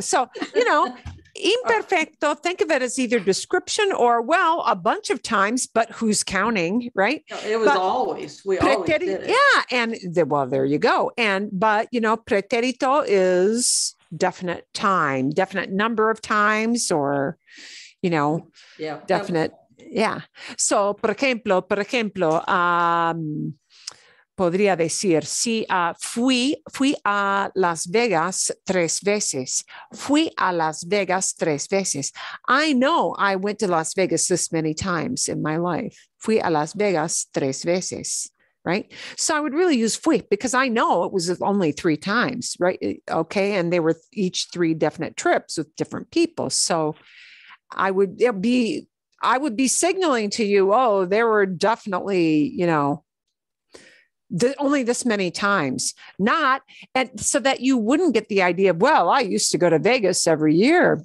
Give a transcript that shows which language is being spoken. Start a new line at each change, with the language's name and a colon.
English: So, you know, imperfecto, think of it as either description or, well, a bunch of times, but who's counting, right? It was always did it. Yeah, and there you go. But, you know, preterito is definite time, definite number of times or, you know, definite.
Spanish: So, por ejemplo, podría decir, sí, fui a Las Vegas tres veces. Fui a Las Vegas tres veces.
English: I know I went to Las Vegas this many times in my life.
Spanish: Fui a Las Vegas tres veces.
English: right? So I would really use fui because I know it was only three times, right? Okay. And they were each three definite trips with different people. So I would be signaling to you, oh, there were definitely, you know, only this many times, not, and so that you wouldn't get the idea of, well, I used to go to Vegas every year.